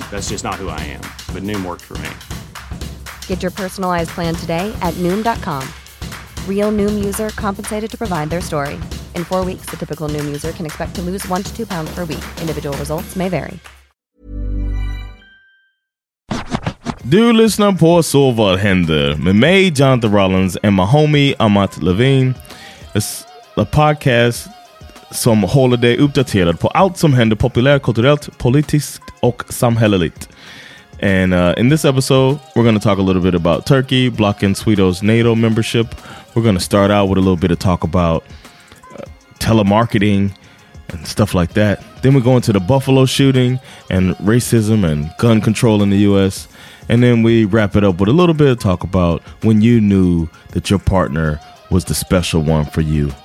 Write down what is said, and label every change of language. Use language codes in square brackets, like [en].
[en] That's just not who I am. But Noom worked for me. Get your personalized plan today at Noom.com. Real Noom user compensated to provide their story. In 4 weeks, the typical Noom user can expect to lose 1 to 2 pounds per week. Individual results may vary. [sv] Du lyssnar på Så vad händer med mig, Jonathan Rollins, och [en] my homie [sv] Amat Levine. [en] It's a podcast [sv] som håller dig uppdaterad på allt som händer populärt, kulturellt, politiskt och samhälleligt. [en] And in this episode, we're going to talk a little bit about Turkey blocking Sweden's NATO membership. We're going to start out with a little bit of talk about telemarketing and stuff like that. Then we go into the Buffalo shooting and racism and gun control in the U.S., and then we wrap it up with a little bit of talk about when you knew that your partner was the special one for you.